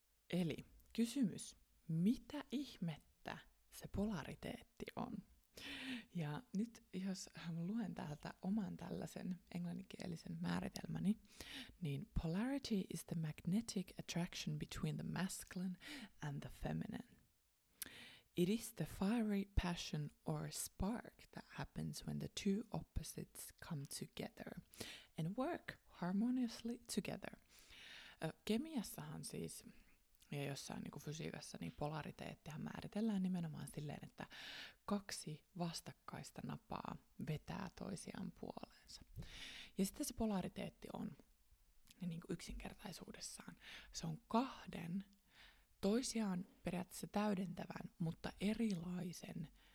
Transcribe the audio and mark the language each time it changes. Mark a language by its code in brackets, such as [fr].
[fi] Eli kysymys, mitä ihmettä se polariteetti on? Ja nyt jos luen täältä oman tällaisen englanninkielisen määritelmäni, niin [en] polarity is the magnetic attraction between the masculine and the feminine. It is the fiery passion or spark that happens when the two opposites come together and work harmoniously together. [fi] Kemiassahan siis, ja jossain niin kuin fysiikassa, niin polariteettihan määritellään nimenomaan silleen, että kaksi vastakkaista napaa vetää toisiaan puoleensa. Ja sitten se polariteetti on, niin kuin yksinkertaisuudessaan, se on kahden toisiaan periaatteessa täydentävän, mutta erilaisen